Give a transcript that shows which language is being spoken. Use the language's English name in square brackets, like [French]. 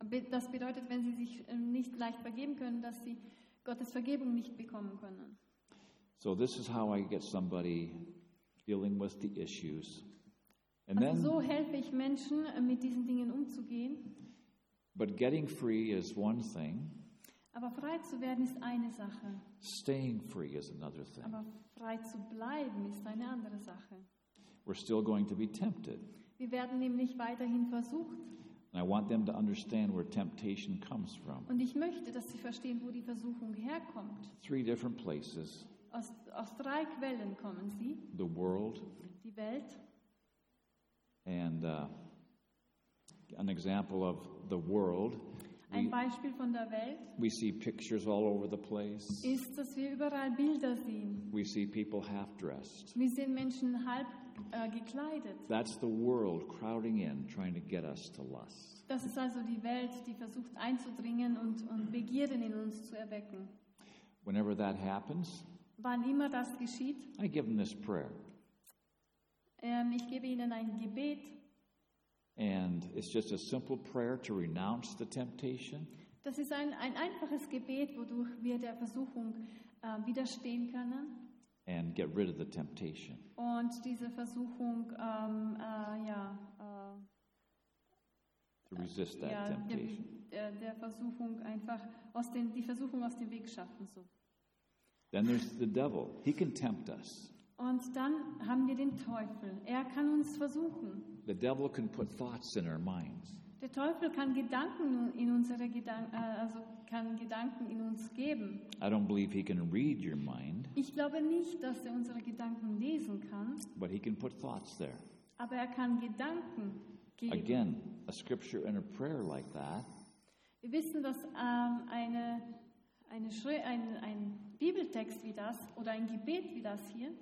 [German] Das bedeutet, wenn sie sich nicht leicht vergeben können, dass sie Gottes Vergebung nicht bekommen können. [English] So this is how I get somebody dealing with the issues. [German] And also so helfe ich Menschen, mit diesen Dingen umzugehen. [English] But getting free is one thing. [German] Aber frei zu werden ist eine Sache. [English] Staying free is another thing. [German] Aber frei zu bleiben ist eine andere Sache. [English] We're still going to be tempted. [German] Wir werden nämlich weiterhin versucht. [English] And I want them to understand where temptation comes from. [German] Und ich möchte, dass sie verstehen, wo die Versuchung herkommt. [English] Three different places. [German] Aus drei Quellen kommen sie. [English] The world. [German] Die Welt. [English] And an example of the world. [German] Ein Beispiel von der Welt. [English] We see pictures all over the place. [German] Ist, dass wir überall Bilder sehen. [English] We see people half dressed. [German] Wir sehen Menschen halb gekleidet. [English] That's the world crowding in, trying to get us to lust. [German] Das ist also die Welt, die versucht einzudringen und Begierden in uns zu erwecken. [English] Whenever that happens, [German] wann immer das geschieht, [English] I give them this prayer. [German] Ich gebe ihnen ein Gebet. [English] And it's just a simple prayer to renounce the temptation. [German] Das ist ein einfaches Gebet, wodurch wir der Versuchung widerstehen können. [English] And get rid of the temptation. [German] Und diese Versuchung, [English] to resist that temptation. [German] Der Versuchung einfach die Versuchung aus dem Weg schaffen. [English] So. Then there's the devil. He can tempt us. [German] Und dann haben wir den Teufel. Er kann uns versuchen. [English] The devil can put thoughts in our minds. [German] Der Teufel kann Gedanken in unsere kann Gedanken in uns geben. [English] I don't believe he can read your mind. [German] Ich glaube nicht, dass er unsere Gedanken lesen kann. [English] But he can put thoughts there. [German] Aber er kann Gedanken geben. [English] Again, a scripture and a prayer like that. [German] Wir wissen, dass ein Bibeltext wie das oder ein Gebet wie das hier